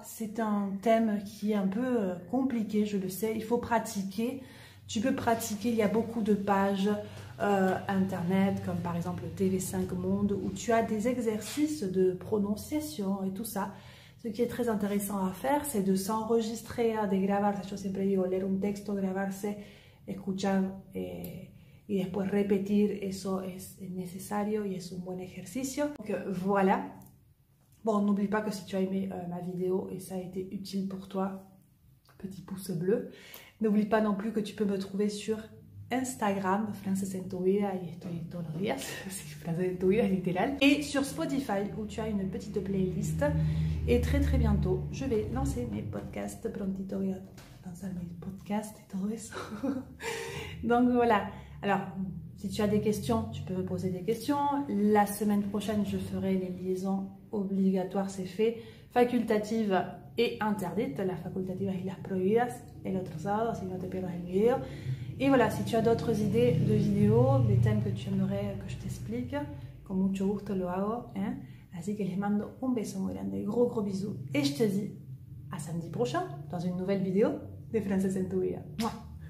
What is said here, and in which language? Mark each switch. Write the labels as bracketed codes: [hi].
[fr] C'est un thème qui est un peu compliqué, je le sais. Il faut pratiquer. Tu peux pratiquer. Il y a beaucoup de pages internet, comme par exemple TV5 Monde, où tu as des exercices de prononciation et tout ça. Ce qui est très intéressant à faire, c'est de s'enregistrer, [es] de grabarse. Yo siempre digo, leer un texto, grabarse, escuchar et... Y después repetir, eso es necesario y es un buen ejercicio. [fr] Donc voilà. Bon, n'oublie pas que si tu as aimé ma vidéo et ça a été utile pour toi, petit pouce bleu. N'oublie pas non plus que tu peux me trouver sur Instagram, Frances en tu vida, [es] y estoy todos los días, [fr] Frances en tu vida, littéral. Et sur Spotify, où tu as une petite playlist. Et très très bientôt, je vais lancer mes podcasts. [es] Prontito voy a lanzar mis podcasts et todo eso. [fr] Donc voilà. Alors, si tu as des questions, tu peux me poser des questions. La semaine prochaine, je ferai les liaisons obligatoires, c'est fait. Facultatives, et interdite, [es] la facultative y las prohibidas, el otro sábado, si no te pierdas el video. [fr] Et voilà, si tu as d'autres idées de vidéos, des thèmes que tu aimerais que je t'explique, [es] con mucho gusto lo hago, [fr] hein. [es] Así que les mando un beso muy grande, [fr] gros bisous, et je te dis à samedi prochain dans une nouvelle vidéo de Frances en tu vida. Mouah.